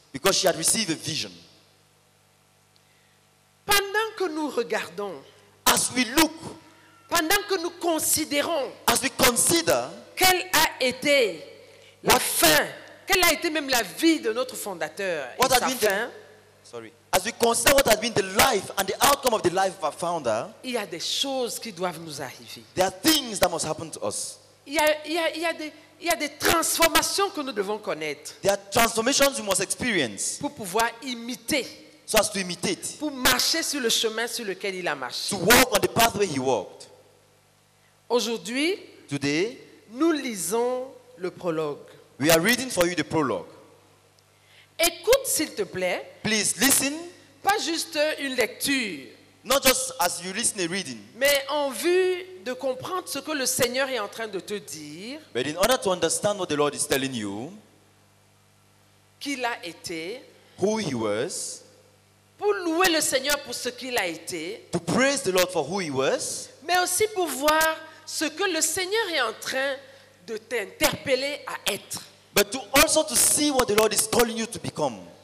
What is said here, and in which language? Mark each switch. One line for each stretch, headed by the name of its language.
English: Because she had received a vision.
French: Pendant que nous regardons,
English: as we look,
French: pendant que nous considérons,
English: as we consider,
French: quelle a été la fin, quelle a été même la vie de notre fondateur,
English: what
French: et
English: had
French: sa
English: been
French: fin,
English: the, sorry, as we consider what had been the life and the outcome of the life of our founder,
French: il y a des choses qui doivent nous arriver.
English: There are things that must happen to us.
French: Il y a des transformations que nous devons connaître.
English: There are transformations we must experience.
French: Pour pouvoir imiter.
English: So as to imitate.
French: Pour marcher sur le chemin sur lequel il a marché.
English: To walk on the pathway he walked.
French: Aujourd'hui,
English: today,
French: nous lisons le prologue.
English: We are reading for you the prologue.
French: Écoute s'il te plaît.
English: Please listen.
French: Pas juste une lecture.
English: Not just as you listen a reading.
French: Mais en vue de comprendre ce que le Seigneur est en train de te dire.
English: But in order to understand what the Lord is telling you.
French: Qui il a été.
English: Who he was.
French: Pour louer le Seigneur pour ce qu'il a été.
English: To praise the Lord for who he was.
French: Mais aussi pour voir ce que le Seigneur est en train de t'interpeller à être.
English: But to also to see what the Lord is calling you to become.